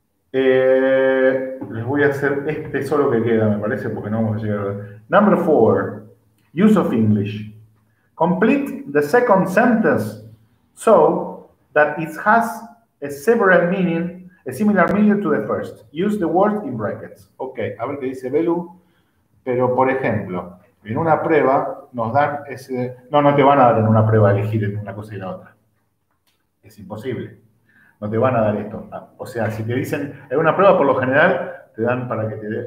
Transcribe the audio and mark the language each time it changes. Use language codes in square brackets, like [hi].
[es] les voy a hacer este solo que queda, me parece, porque no vamos a llegar a... [en] Number four. Use of English. Complete the second sentence so that it has a several meaning, a similar meaning to the first. Use the word in brackets. Ok, [es] a ver qué dice Belu. Pero, por ejemplo, en una prueba nos dan ese... No, no te van a dar en una prueba elegir entre una cosa y la otra. Es imposible. No te van a dar esto. O sea, si te dicen... En una prueba, por lo general, te dan para que te dé...